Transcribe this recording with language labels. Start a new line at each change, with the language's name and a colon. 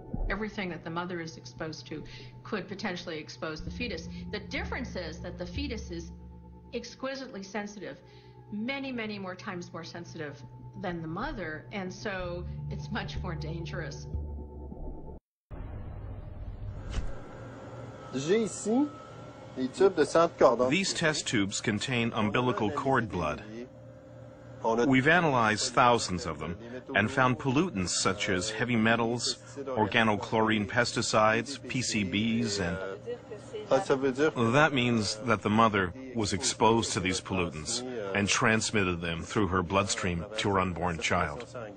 English: Everything that the mother is exposed to could potentially expose the fetus. The difference is that the fetus is exquisitely sensitive, many, many more times more sensitive than the mother, and so it's much more dangerous.
French: J'ai ici les tubes de sang de cordon.
English: These test tubes contain umbilical cord blood. We've analyzed thousands of them and found pollutants such as heavy metals, organochlorine pesticides, PCBs, and that means that the mother was exposed to these pollutants and transmitted them through her bloodstream to her unborn child.